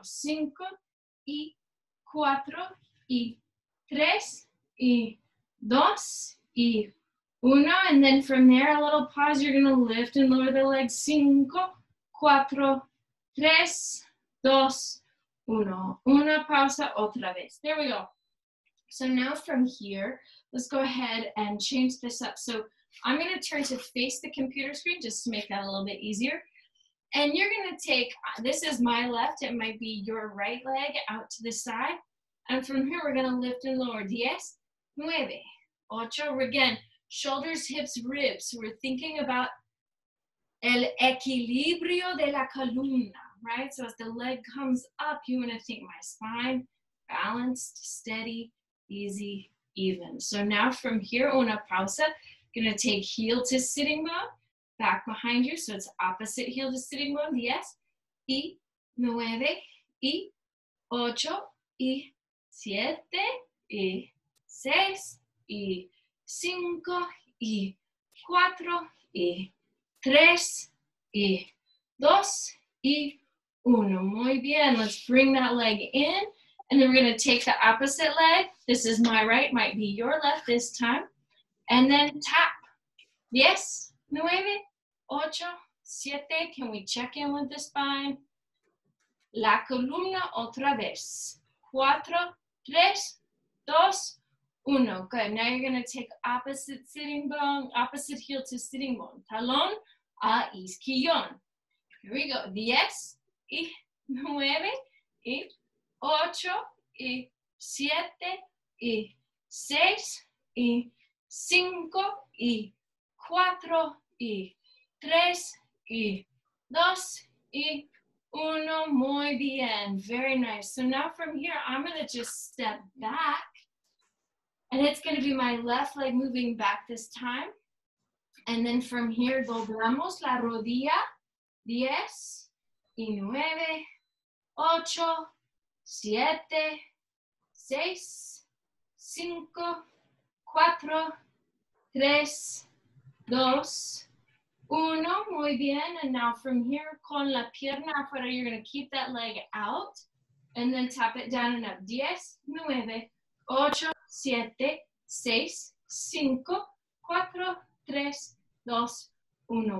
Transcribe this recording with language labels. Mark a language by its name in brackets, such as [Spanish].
[Spanish] Cinco y cuatro y tres y dos y uno. [English] And then from there, a little pause. You're going to lift and lower the legs. [Spanish] Cinco, cuatro, tres, dos, uno. Una pausa otra vez. [English] There we go. So now from here, let's go ahead and change this up. So I'm going to turn to face the computer screen just to make that a little bit easier. And you're going to take, this is my left, it might be your right leg out to the side. And from here, we're going to lift and lower. [Spanish] Diez, nueve, ocho. [English] Again, shoulders, hips, ribs. We're thinking about [Spanish] el equilibrio de la columna, [English] right? So as the leg comes up, you want to think my spine balanced, steady, easy, even. So now from here, [Spanish] una pausa. [English] Gonna take heel to sitting mode, back behind you, so it's opposite heel to sitting mode. [Spanish] Diez, y nueve, y ocho, y siete, y seis, y cinco, y cuatro, y tres, y dos, y uno. Muy bien, [English] let's bring that leg in, and then we're gonna take the opposite leg. This is my right, might be your left this time. And then tap. [Spanish] Diez, nueve, ocho, siete. [English] Can we check in with the spine? [Spanish] La columna otra vez. Cuatro, tres, dos, uno. Good. [English] Now you're going to take opposite sitting bone, opposite heel to sitting bone. [Spanish] Talón a isquion. [English] Here we go. [Spanish] Diez, y nueve, y ocho, y siete, y seis, y cinco y cuatro y tres y dos y uno. Muy bien. [English] Very nice. So now from here, I'm going to just step back. And it's going to be my left leg moving back this time. And then from here, [Spanish] doblamos la rodilla. Diez y nueve, ocho, siete, seis, cinco, cuatro, tres, dos, uno. Muy bien. [English] And now from here, [Spanish] con la pierna afuera, [English] you're going to keep that leg out and then tap it down and up. [Spanish] Diez, nueve, ocho, siete, seis, cinco, cuatro, tres, dos, uno.